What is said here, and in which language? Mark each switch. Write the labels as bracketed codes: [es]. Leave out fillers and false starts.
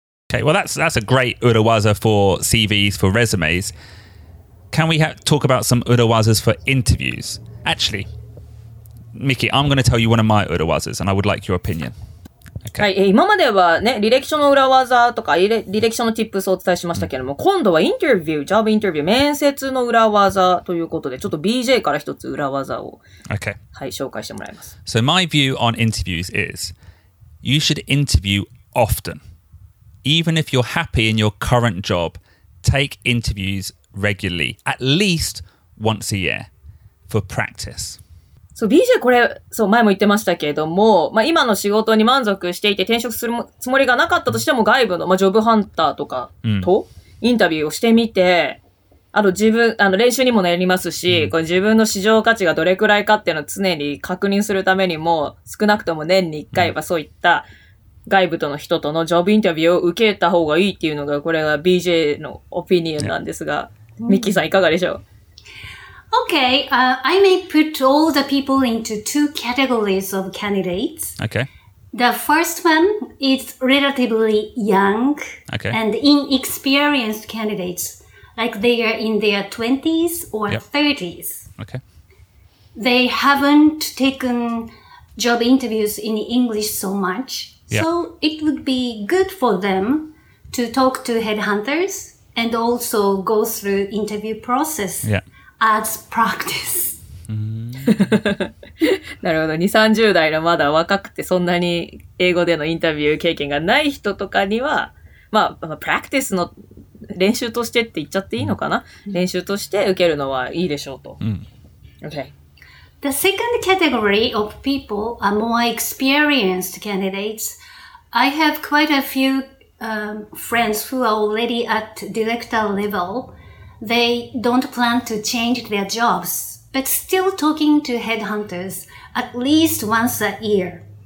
[en] Okay, well, that's a great urawaza for CVs, for resumes. Can we talk about some urawazas for interviews? Actually,Miki, I'm going to tell you one of my urawazas, and I would like your opinion. Okay. [ja] はい、今まではね、履歴書の裏技とか、履歴書のチップスをお伝えしましたけれども、今度はインタビュー、ジョブインタビュー、面接の裏技ということで、ちょっと BJ から一つ裏技を、 [en] okay. [ja] はい、紹介してもらいます。 [en] So my view on interviews is, you should interview often. Even if you're happy in your current job, take interviews regularly, at least once a year, for practice. [ja] そう、BJ これ、そう、前も言ってましたけれども、まあ今の仕事に満足していて転職するつもりがなかったとしても外部の、まあジョブハンターとかとインタビューをしてみて、あと自分、練習にもなりますし、これ自分の市場価値がどれくらいかっていうのを常に確認するためにも、少なくとも年に1回はそういった外部との人とのジョブインタビューを受けた方がいいっていうのが、これが BJ のオピニオンなんですが、ミッキーさんいかがでしょう？ [en] Okay, I may put all the people into two categories of candidates. Okay. The first one is relatively young okay. and inexperienced candidates, like they are in their 20s or yep. 30s. Okay. They haven't taken job interviews in English so much. Yep. So it would be good for them to talk to headhunters and also go through interview process. Yeah. As practice. [ja] なるほど。 2、30代のまだ若くてそんなに英語でのインタビュー経験がない人とかには、まあ、practice の練習としてって言っちゃっていいのかな、練習として受けるのはいいでしょうと。 [en] Okay. The second category of people are more experienced candidates. I have quite a few, friends who are already at director level. They don't plan to change their jobs, but still talking to headhunters at least once a year.